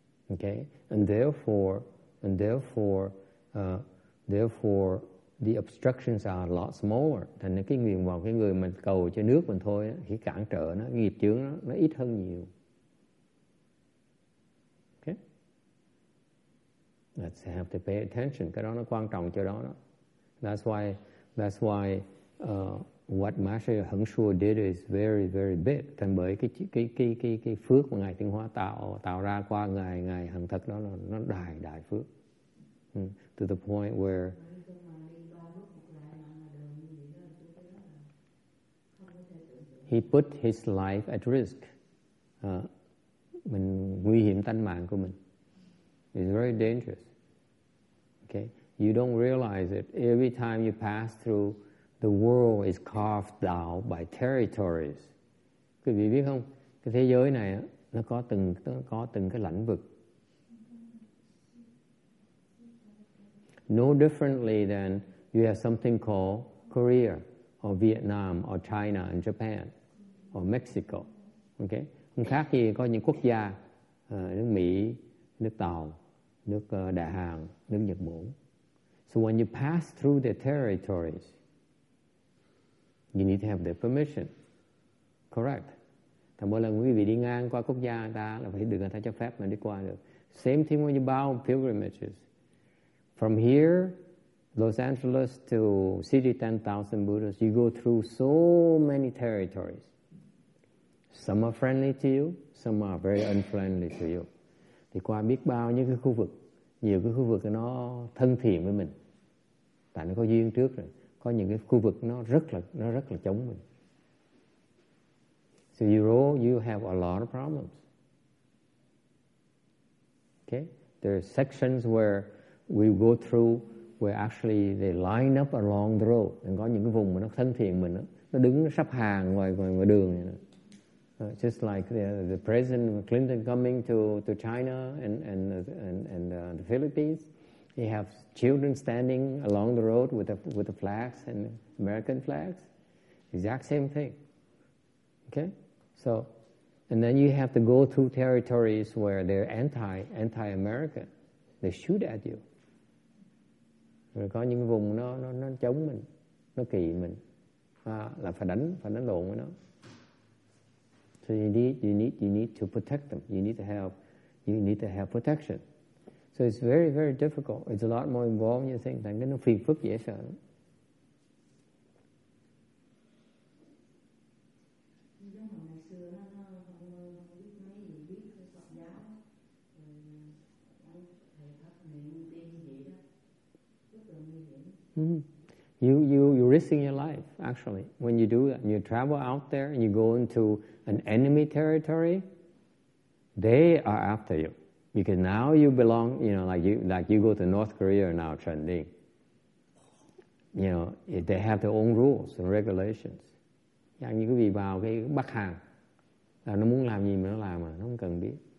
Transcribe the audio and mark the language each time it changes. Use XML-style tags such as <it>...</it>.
<en>Okay, and therefore, the obstructions are a lot smaller.</en> <vi>Thành cái nguyện vọng cái người mình cầu cho nước mình thôi, cái cản trở nó, nghiệp chướng nó ít hơn nhiều.</vi> <en>Okay, let's have to pay attention.</en> <vi>Cái đó nó quan trọng cho đó.</vi> <en>That's why. What Master Heng Shuo did is very, very big.</en> <vi>Thành bởi cái phước mà ngài Tinh Hoa tạo ra qua ngài hằng thật đó là nó đại phước.</vi> <en>To the point where he put his life at risk.</en> <vi>Mình nguy hiểm tánh mạng của mình.</vi> <en>It's very dangerous. Okay, you don't realize it every time you pass through. The world is carved out by territories.</en> <vi>Quý vị biết không? Cái thế giới này nó có từng cái lãnh vực.</vi> <en>No differently than you have something called Korea or Vietnam or China and Japan or Mexico. Okay?</en> <vi>Không khác gì có những quốc gia nước Mỹ, nước Tàu, nước Đại Hàn, nước Nhật Bản.</vi> <en>So when you pass through the territories, you need to have their permission. Correct.</en> <vi>Thì mỗi lần quý vị đi ngang qua quốc gia người ta là phải được người ta cho phép mà đi qua được.</vi> <en>Same thing when you bow pilgrimages. From here, Los Angeles to city 10,000 Buddhas, you go through so many territories. Some are friendly to you, some are very unfriendly to you.</en> <vi>Thì qua biết bao nhiêu cái khu vực, nhiều cái khu vực nó thân thiện với mình, tại nó có duyên trước rồi. Có những cái khu vực nó rất là chống mình.</vi> <en>So you have a lot of problems. Okay, there are sections where we go through where actually they line up along the road.</en> <vi>And có những cái vùng mà nó thân thiện mình đó, nó đứng sắp hàng ngoài đường.</vi> <en>Just like the President Clinton coming to China and the Philippines, he have children standing along the road with the flags and American flags. Exact same thing. Okay, so and then you have to go through territories where they're anti American. They shoot at you.</en> <vi>Rồi có những vùng nó chống mình, nó kỳ mình, là phải đánh lộn với nó.</vi> <en>So you need to protect them. You need to have protection. So it's very, very difficult. It's a lot more involved than you think.</en> <vi>Thành cái nó phiền phức dễ sợ.</vi> <en>You're risking your life actually when you do that. You travel out there and you go into an enemy territory. They are after you because now you belong. You know, like you go to North Korea now trending. You know, they have their own rules and regulations.</en> <vi>Giống như cái gì vào cái Bắc Hàn là nó muốn làm gì mà nó làm mà nó không cần biết.</vi>